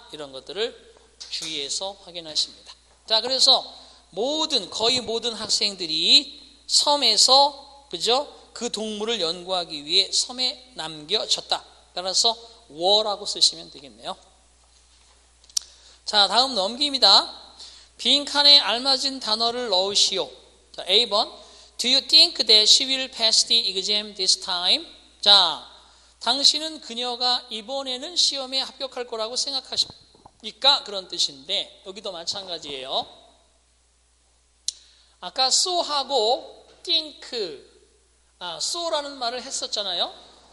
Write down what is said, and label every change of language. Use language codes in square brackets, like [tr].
[ko] 이런 것들을 주의해서 확인하십니다. 자, 그래서 모든, 거의 모든 학생들이 섬에서, 그죠? 그 동물을 연구하기 위해 섬에 남겨졌다. 따라서 were라고 쓰시면 되겠네요. 자, 다음 넘깁니다. 빈칸에 알맞은 단어를 넣으시오. 자, A번. [en] Do you think that she will pass the exam this time? [ko] 자, 당신은 그녀가 이번에는 시험에 합격할 거라고 생각하십니까? 그런 뜻인데 여기도 마찬가지예요. 아까 so하고 think, 아, so라는 말을 했었잖아요.